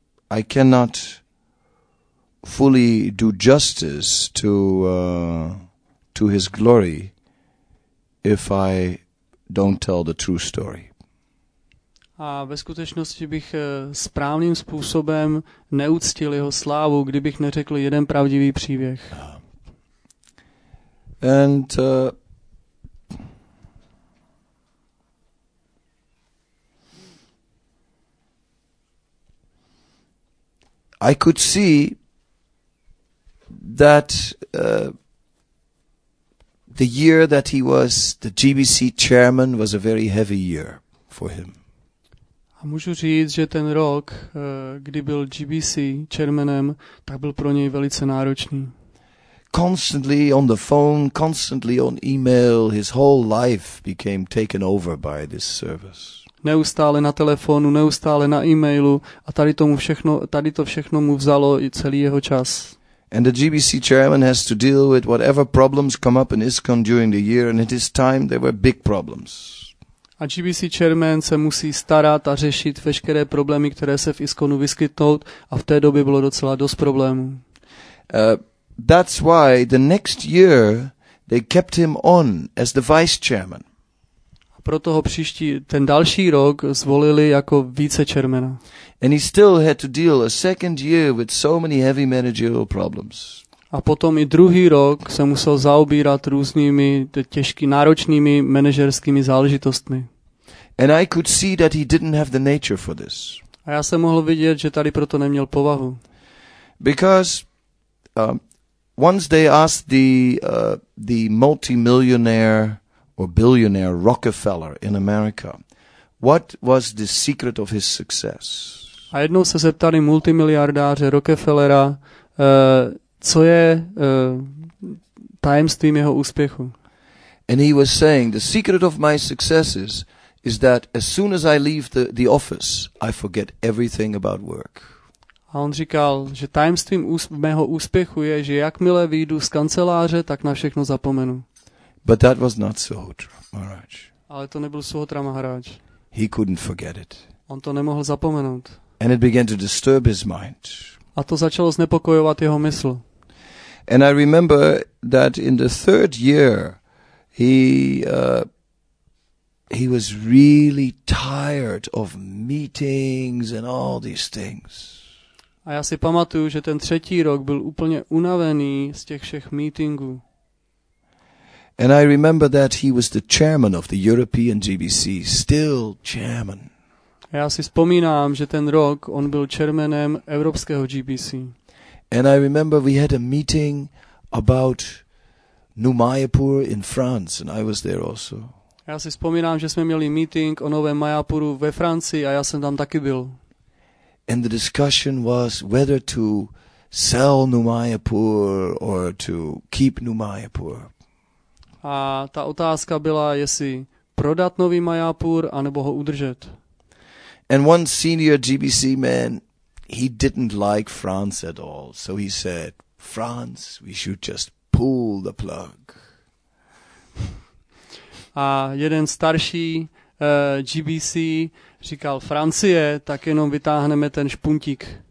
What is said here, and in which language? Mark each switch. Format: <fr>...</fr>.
<en>I cannot fully do justice to his glory if I don't tell the true story.</en> <cs>A ve skutečnosti bych správným způsobem neuctil jeho slávu, kdybych neřekl jeden pravdivý příběh.</cs> <en>I could see that the year that he was the GBC chairman was a very heavy year for him.</en> <cs>A můžu říct, že ten rok, kdy byl GBC chairmanem, tak byl pro něj velice náročný.</cs> <en>Constantly on the phone, constantly on email, his whole life became taken over by this service.</en> <cs>Neustále na telefonu, neustále na e-mailu a tady to všechno mu vzalo i celý jeho čas.</cs> <en>And the GBC chairman has to deal with whatever problems come up in ISKCON during the year, and at this time there were big problems.</en> <cs>A GBC chairman se musí starat a řešit veškeré problémy, které se v ISKCONu vyskytnou, a v té době bylo docela dost problémů.</cs> <en>That's why the next year they kept him on as the vice chairman.</en> <cs>A proto ho příští, ten další rok zvolili jako vice chairmana.</cs> <en>And he still had to deal a second year with so many heavy managerial problems.</en> <cs>A potom i druhý rok se musel zaobírat různými těžkými náročnými manažerskými záležitostmi.</cs> <en>And I could see that he didn't have the nature for this.</en> <cs>A já jsem mohl vidět, že tady proto neměl povahu.</cs> <en>Because once they asked the multimillionaire or billionaire Rockefeller in America. What was the secret of his success?</en> <cs>A jednou se zeptali multimiliardáře Rockefellera, co je tajemstvím jeho úspěchu.</cs> <en>And he was saying, the secret of my success is that as soon as I leave the office, I forget everything about work.</en> <cs>A on říkal, že tajemstvím mého úspěchu je, že jakmile vyjdu z kanceláře, tak na všechno zapomenu.</cs> <en>But that was not Suhotra Maharaj.</en> <cs>Ale to nebyl Suhotra Maharaj.</cs> <en>He couldn't forget it.</en> <cs>On to nemohl zapomenout.</cs> <en>And it began to disturb his mind.</en> <cs>A to začalo znepokojovat jeho mysl.</cs> <en>And I remember that in the third year, he was really tired of meetings and all these things.</en> <cs>A já si pamatuju, že ten třetí rok byl úplně unavený z těch všech meetingů.</cs> <en>And I remember that he was the chairman of the European GBC, still chairman.</en> <cs>A já si vzpomínám, že ten rok on byl chairmanem evropského GBC.</cs> <en>And I remember we had a meeting about Noumaïpour in France, and I was there also.</en> <cs>Já si vzpomínám, že jsme měli meeting o novém Mayapuru ve Francii a já jsem tam taky byl.</cs> <en>And the discussion was whether to sell Noumaïpour or to keep Noumaïpour.</en> <cs>A ta otázka byla, jestli prodat nový Mayapur anebo ho udržet.</cs> <en>And one senior GBC man, he didn't like France at all, so he said, France, we should just pull the plug.</en> <cs>A jeden starší GBC říkal, Francie, tak jenom vytáhneme ten špuntík.</cs>